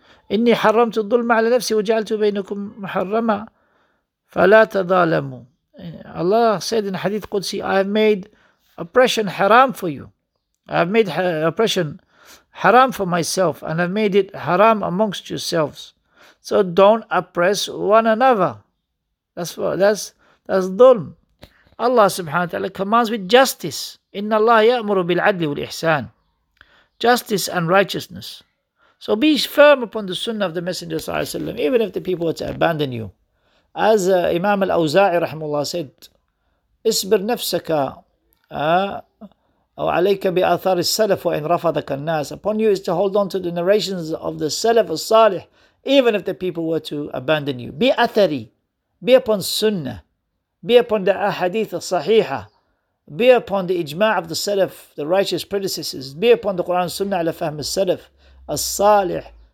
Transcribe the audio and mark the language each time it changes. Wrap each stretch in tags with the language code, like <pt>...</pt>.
<ar>إِنِّي حَرَّمْتُ الظُّلْمَ عَلَى نَفْسِي وَجَعَلْتُ بَيْنَكُمْ مُحَرَّمًا فَلَا تَظَالَمُوا</ar> <en>Allah said in Hadith Qudsi, I have made oppression haram for you. I have made oppression haram for myself and I have made it haram amongst yourselves. So don't oppress one another. That's dhulm. Allah subhanahu wa ta'ala commands with justice.</en> <ar>إِنَّ اللَّهَ يَأْمُرُ بِالْعَدْلِ وَالْإِحْسَانِ</ar> <en>Justice and righteousness. So be firm upon the sunnah of the Messenger sallallahu alayhi wa sallam, even if the people were to abandon you. As Imam al-Awza'i rahimullah said,</en> <ar>اسبر نفسك أو عليك بآثار السلف وإن رفضك الناس.</ar> <en>Upon you is to hold on to the narrations of the Salaf al-Salih, even if the people were to abandon you. بأثري, be upon Sunnah, be upon the Ahadith al-Sahiha, be upon the Ijma' of the Salaf, the righteous predecessors, be upon the Quran Sunnah ala Fahm al-Salaf al-Salih.</en>